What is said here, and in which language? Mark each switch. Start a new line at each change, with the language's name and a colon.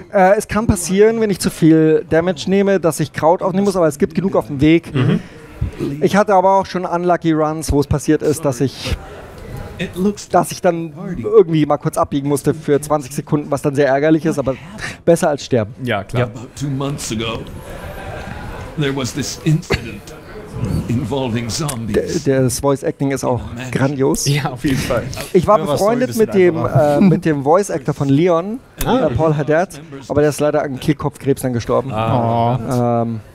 German: Es kann passieren, wenn ich zu viel Damage nehme, dass ich Kraut aufnehmen muss, aber es gibt genug auf dem Weg. Mhm. Ich hatte aber auch schon unlucky Runs, wo es passiert ist, dass ich dann irgendwie mal kurz abbiegen musste für 20 Sekunden, was dann sehr ärgerlich ist, aber besser als sterben. Ja, klar.
English: About 2 months ago, there was this incident involving zombies.
German: Das Voice-Acting ist auch grandios. Ja, auf jeden Fall. Ich war befreundet mit dem Voice-Actor von Leon, Paul Haddad, aber der ist leider an Kehlkopfkrebs dann gestorben. Aber...